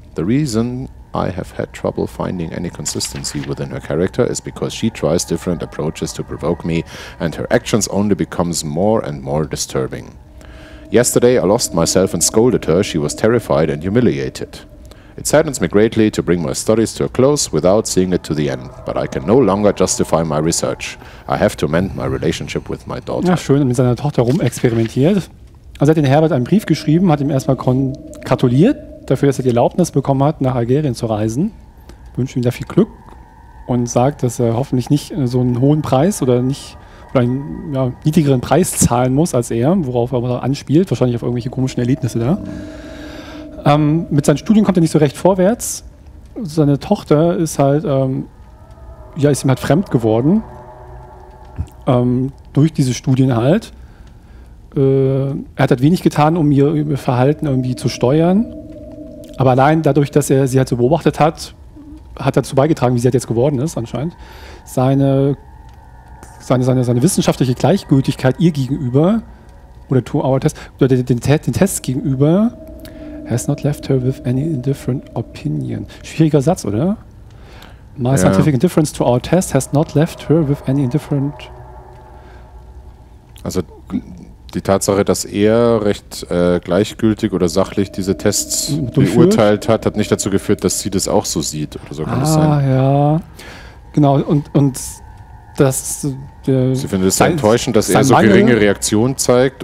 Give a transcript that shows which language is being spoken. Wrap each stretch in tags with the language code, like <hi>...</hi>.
<en>The reason I have had trouble finding any consistency within her character is because she tries different approaches to provoke me, and her actions only becomes more and more disturbing. Yesterday I lost myself and scolded her. She was terrified and humiliated. It saddens me greatly to bring my studies to a close without seeing it to the end, but I can no longer justify my research. I have to mend my relationship with my daughter.</en> <de>Ja, schön, mit seiner Tochter rumexperimentiert. Also hat den Herbert einen Brief geschrieben, hat ihm erstmal gratuliert dafür, dass er die Erlaubnis bekommen hat, nach Algerien zu reisen. Wünscht ihm da viel Glück und sagt, dass er hoffentlich nicht so einen hohen Preis oder einen niedrigeren Preis zahlen muss als er, worauf er aber anspielt, wahrscheinlich auf irgendwelche komischen Erlebnisse da. Mit seinen Studien kommt er nicht so recht vorwärts. Seine Tochter ist halt, ist ihm halt fremd geworden. Durch diese Studien halt. Er hat halt wenig getan, um ihr Verhalten irgendwie zu steuern. Aber allein dadurch, dass er sie halt so beobachtet hat, hat dazu beigetragen, wie sie halt jetzt geworden ist anscheinend. Seine wissenschaftliche Gleichgültigkeit ihr gegenüber, oder Two-Hour-Test, oder den Test gegenüber,</de> <en>has not left her with any indifferent opinion.</en> <de>Schwieriger Satz, oder?</de> <en>My scientific indifference to our test has not left her with any indifferent...</en> <de>Also die Tatsache, dass er recht gleichgültig oder sachlich diese Tests beurteilt hat, hat nicht dazu geführt, dass sie das auch so sieht. Oder so kann das sein. Ah, ja. Genau, und das... Sie findet es sehr enttäuschend, dass er so geringe Reaktion zeigt.</de>